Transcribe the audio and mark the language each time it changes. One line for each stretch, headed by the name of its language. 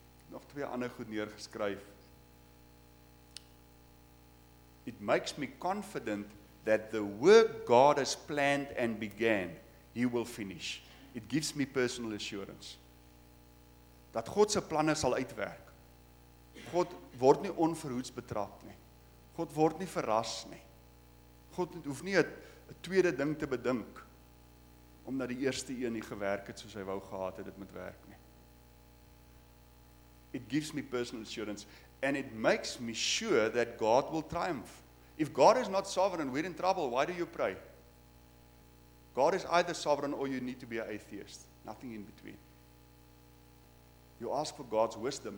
Afrikaans: Nog twee ander goed neergeskryf.
English: It makes me confident that the work God has planned and began, he will finish. It gives me personal assurance.
Afrikaans: Dat God se planne sal uitwerk. God word nie onverhoeds betrap nie. God word nie verras nie. God hoef nie 'n tweede ding te bedink, omdat die eerste een nie gewerk het soos hy wou gehad het, dit moet werk nie.
English: It gives me personal assurance. And it makes me sure that God will triumph. If God is not sovereign, we're in trouble. Why do you pray? God is either sovereign or you need to be an atheist. Nothing in between. You ask for God's wisdom.